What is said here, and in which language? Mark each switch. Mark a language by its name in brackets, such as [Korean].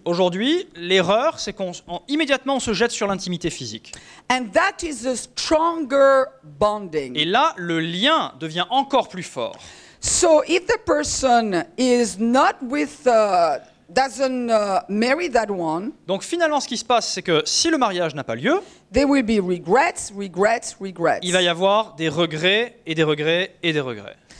[French] Aujourd'hui, l'erreur, c'est qu'immédiatement on se jette sur l'intimité physique. [English] And that is a stronger bonding. [French] Et là, le lien devient encore plus fort. [English] So if the person is not with, doesn't marry that one. [French] Donc finalement, ce qui se passe, c'est que si le mariage n'a pas lieu, [English] there will be regrets. [French] Il va y avoir des regrets et des regrets et des regrets.